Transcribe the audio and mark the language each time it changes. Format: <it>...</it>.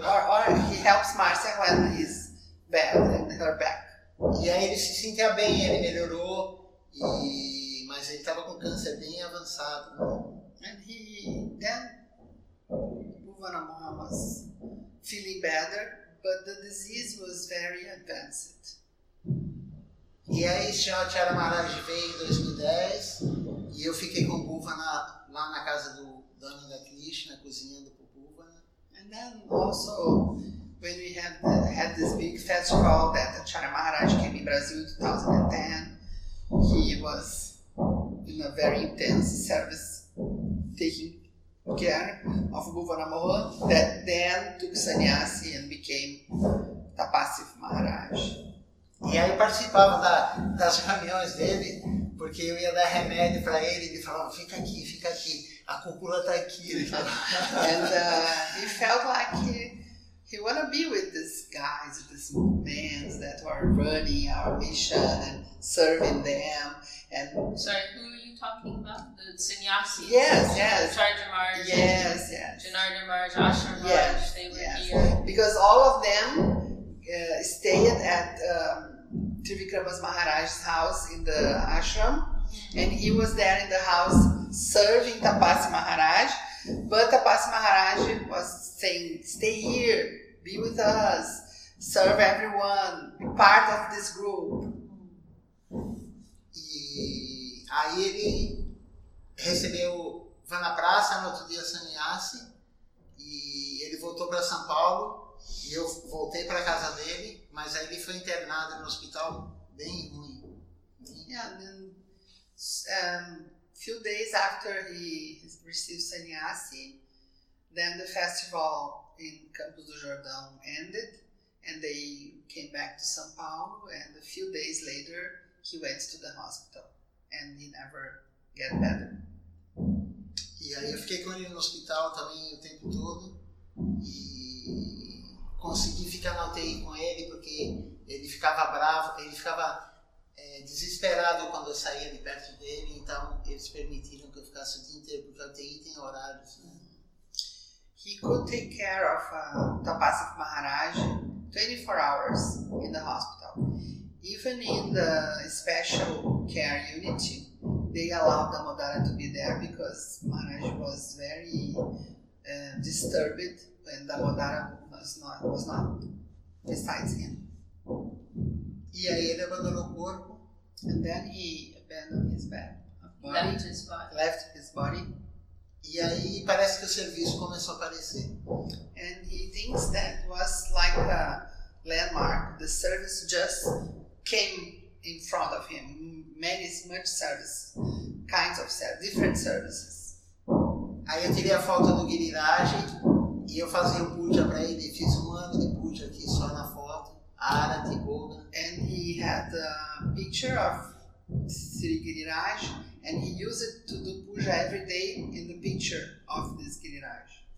<en>Or he helps Marcia when he's bad in her back.</en> <pt>E aí ele se sentia bem, ele melhorou, mas ele estava com câncer bem avançado.</pt> <en>And he then Bhuvana Maharaj was feeling better, but the disease was very advanced.</en> <pt>E aí Shachara Maharaj veio em 2010 e eu fiquei com Bhuvana lá na casa do Dhananda Krishna, cozinhando com Bhuvana.</pt> <en>And then also when we had this big festival that Acharya Maharaj came in Brazil in 2010, he was in a very intense service taking care of Bhuvana Mohan, that then took sannyasi and became Tapasi Maharaj.</en> <pt>E aí participava das reuniões dele, porque eu ia dar remédio para ele, ele falava, fica aqui, fica aqui, a cúpula tá aqui.</pt> <en>And he felt like he wanna be with these guys, with these men that are running our mission and serving them. And sorry, who are you talking about? The sannyasis? Yes, yes. Charja Maharaj. Yes, yes. Janardhan Maharaj, Ashram Maharaj, yes, they were, yes, here. Because all of them stayed at Trivikrama's Maharaj's house in the ashram. And he was there in the house serving Tapasi Maharaj. But Tapasi Maharaj was saying, stay here, be with us, serve everyone, be part of this group.</en> <pt>E aí ele recebeu Vanaprasa no outro dia sannyasi, e ele voltou para São Paulo, e eu voltei para casa dele, mas aí ele foi internado no hospital bem ruim.</pt> <en>Few days after he received sannyasi, then the festival in Campos do Jordão ended, and they came back to São Paulo, and a few days later, he went to the hospital, and he never got better.</en> <pt>E aí eu fiquei com ele no hospital também o tempo todo, e consegui ficar na UTI com ele, porque ele ficava bravo, ele ficava desesperado quando eu saía de perto dele, então eles permitiram que eu ficasse o dia inteiro, porque a UTI tem horários, né?</pt> <en>He could take care of Tapasi Maharaj 24 hours in the hospital. Even in the special care unit, they allowed Damodara to be there because Maharaj was very disturbed when Damodara was not besides him.</en> <pt>E aí ele abandonou o corpo.</pt> <en>And then he abandoned his bed. Left his body. Left his body.</en> <pt>E aí parece que o serviço começou a aparecer.</pt> <en>And he thinks that was like a landmark. The service just came in front of him. Many, much service. Kinds of service. Different services.</en> <pt>Aí eu tirei a foto do Giriraj e eu fazia um puja para ele. Fiz um ano de puja aqui só na foto. Arati, Goga.</pt> <en>And he had a picture of Sri Giriraj. And he used it to do puja every day in the picture of this Giriraj.</en>